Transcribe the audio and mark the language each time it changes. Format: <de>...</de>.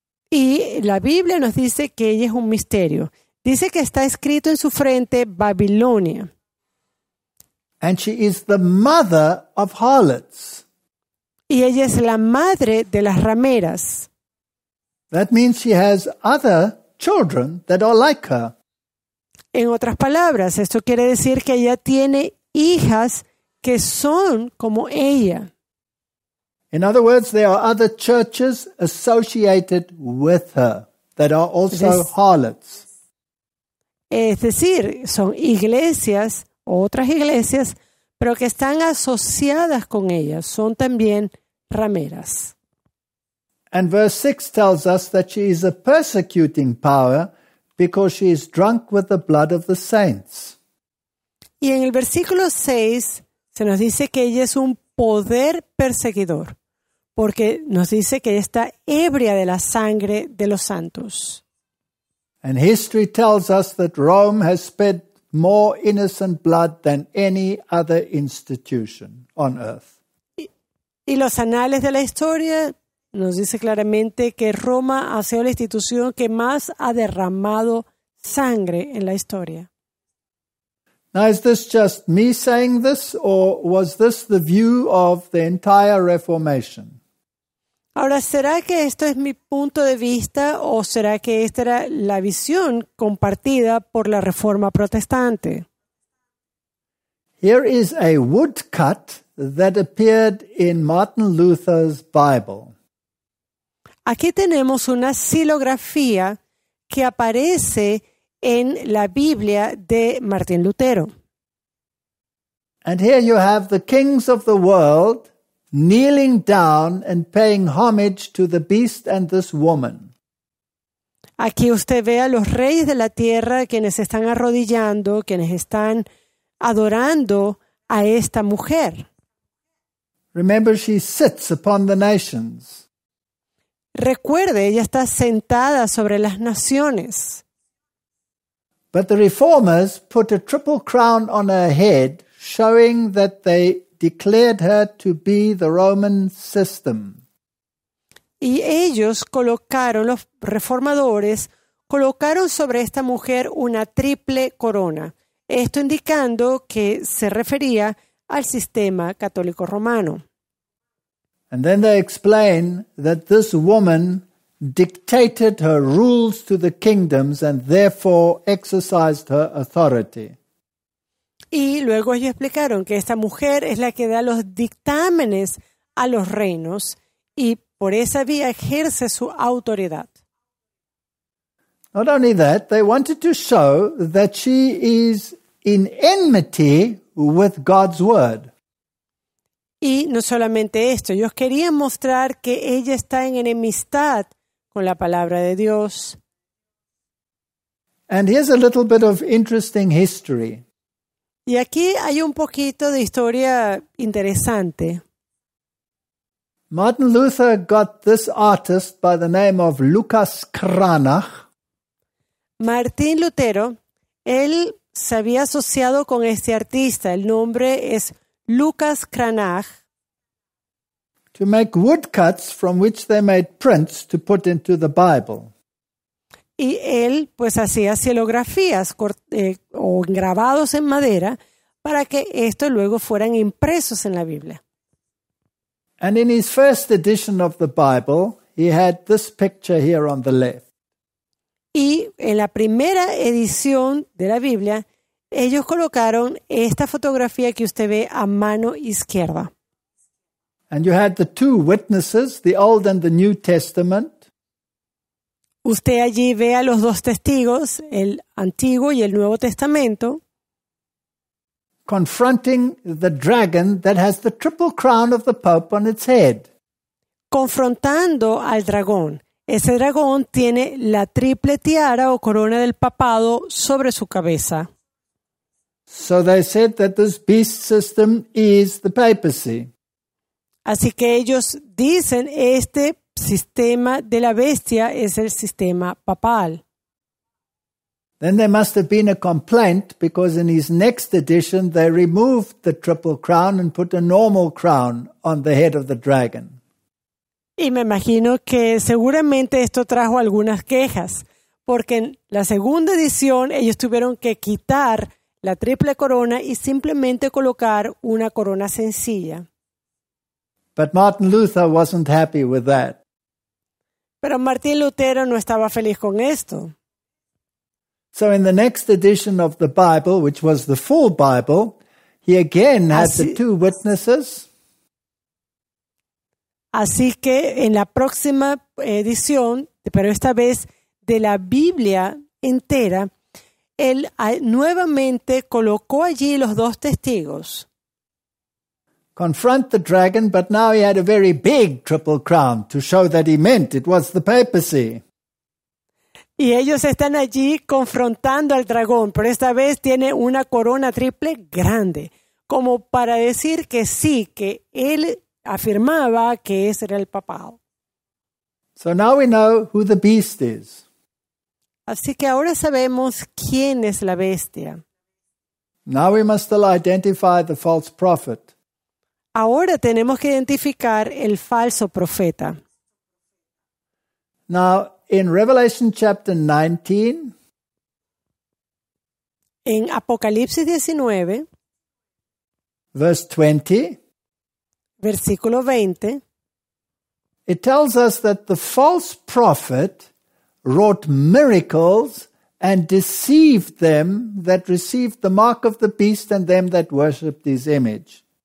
<es>Y la Biblia nos dice que ella es un misterio. Dice que está escrito en su frente Babilonia.</es> <en>And she is the mother of harlots.</en> <es>Y ella es la madre de las rameras.</es> <en>That means she has other children that are like her.</en> <es>En otras palabras, esto quiere decir que ella tiene hijas que son como ella.</es> <en>In other words, there are other churches associated with her that are also harlots.</en> <es>Es decir, son iglesias, otras iglesias, pero que están asociadas con ella, son también rameras.</es> <en>And verse 6 tells us that she is a persecuting power because she is drunk with the blood of the saints.</en> <es>Y en el versículo 6 se nos dice que ella es un poder perseguidor, porque nos dice que ella está ebria de la sangre de los santos.</es> <en>And history tells us that Rome has spent more innocent blood than any other institution on earth.</en> <es>Y los anales de la historia nos dice claramente que Roma ha sido la institución que más ha derramado sangre en la historia.</es> <en>Now, is this just me saying this, or was this the view of the entire Reformation?</en> <es>Ahora, ¿será que esto es mi punto de vista o será que esta era la visión compartida por la Reforma Protestante?</es> <en>Here is a woodcut that appeared in Martin Luther's Bible.</en> <es>Aquí tenemos una xilografía que aparece en la Biblia de Martín Lutero.</es> <en>And here you have the kings of the world kneeling down and paying homage to the beast and this woman.</en> <es>Aquí usted ve a los reyes de la tierra quienes están arrodillando, quienes están adorando a esta mujer.</es> <en>Remember, she sits upon the nations.</en> <es>Recuerde, ella está sentada sobre las naciones.</es> <en>But the reformers put a triple crown on her head, showing that they declared her to be the Roman system.</en> <es>Y ellos colocaron, los reformadores, colocaron sobre esta mujer una triple corona. Esto indicando que se refería al sistema católico romano.</es> <en>And then they explain that this woman dictated her rules to the kingdoms and therefore exercised her authority.</en> <es>Y luego ellos explicaron que esta mujer es la que da los dictámenes a los reinos y por esa vía ejerce su autoridad.</es> <en>Not only that, they wanted to show that she is in enmity with God's word.</en> <es>Y no solamente esto, ellos querían mostrar que ella está en enemistad con la palabra de Dios.</es> <en>And here's a little bit of interesting history.</en> <es>Y aquí hay un poquito de historia interesante.</es> <en>Martin Luther got this artist by the name of Lucas Cranach.</en> <es>Martín Lutero, él se había asociado con este artista, el nombre es Lucas Cranach,</es> <en>to make woodcuts from which they made prints to put into the Bible.</en> <es>Y él pues hacía xilografías o grabados en madera para que estos luego fueran impresos en la Biblia.</es> <en>And in his first edition of the Bible, he had this picture here on the left.</en> <es>Y en la primera edición de la Biblia, ellos colocaron esta fotografía que usted ve a mano izquierda.</es> <en>And you had the two witnesses, the Old and the New Testament.</en> <es>Usted allí ve a los dos testigos, el Antiguo y el Nuevo Testamento,</es> <en>confronting the dragon that has the triple crown of the Pope on its head.</en> <es>Confrontando al dragón. Ese dragón tiene la triple tiara o corona del papado sobre su cabeza.</es> <en>So they said that this beast system is the papacy.</en> <es>Así que ellos dicen este sistema de la bestia es el sistema papal.</es> <en>Then there must have been a complaint because in his next edition they removed the triple crown and put a normal crown on the head of the dragon.</en> <es>Y me imagino que seguramente esto trajo algunas quejas porque en la segunda edición ellos tuvieron que quitar la triple corona y simplemente colocar una corona sencilla.</es> <en>But Martin Luther wasn't happy with that.</en> <es>Pero Martín Lutero no estaba feliz con esto.</es> <en>So in the next edition of the Bible, which was the full Bible, he again had the two witnesses.</en> <es>Así que en la próxima edición, pero esta vez de la Biblia entera, él nuevamente colocó allí los dos testigos.</es> <en>Confront the dragon, but now he had a very big triple crown to show that he meant it was the papacy.</en> <es>Y ellos están allí confrontando al dragón, pero esta vez tiene una corona triple grande, como para decir que sí, que él afirmaba que ese era el papado.</es> <en>So now we know who the beast is.</en> <es>Así que ahora sabemos quién es la bestia.</es> <en>Now we must still identify the false prophet.</en> <es>Ahora tenemos que identificar el falso profeta.</es> <en>Now, in Revelation chapter 19,</en> <es>en Apocalipsis 19,</es> <en>verse 20,</en> <es>versículo 20,</es> <en>it tells us that the false prophet wrought miracles and deceived them that received the mark of the beast and them that worshipped his image.</en>